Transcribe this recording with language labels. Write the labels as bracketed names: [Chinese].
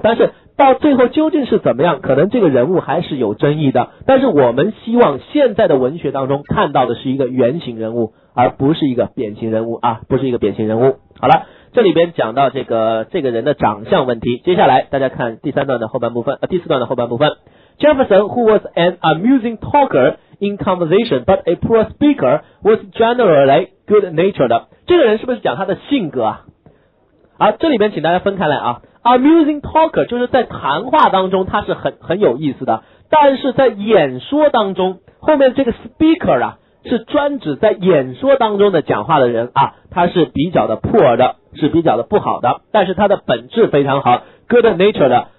[Chinese] 但是到最后究竟是怎么样，可能这个人物还是有争议的。但是我们希望现在的文学当中看到的是一个圆形人物，而不是一个扁形人物啊，不是一个扁形人物。好了，这里边讲到这个人的长相问题。接下来大家看第三段的后半部分第四段的后半部分。 [English] Jefferson who was an amusing talker in conversation but a poor speaker was generally good natured。 [Chinese] 这个人是不是讲他的性格啊？啊，这里边请大家分开来啊。 Amusing talker 就是在谈话当中他是很有意思的，但是在演说当中，后面这个 speaker 啊是专指在演说当中的讲话的人啊，他是比较的 poor 的，是比较的不好的，但是他的本质非常好， good nature 的。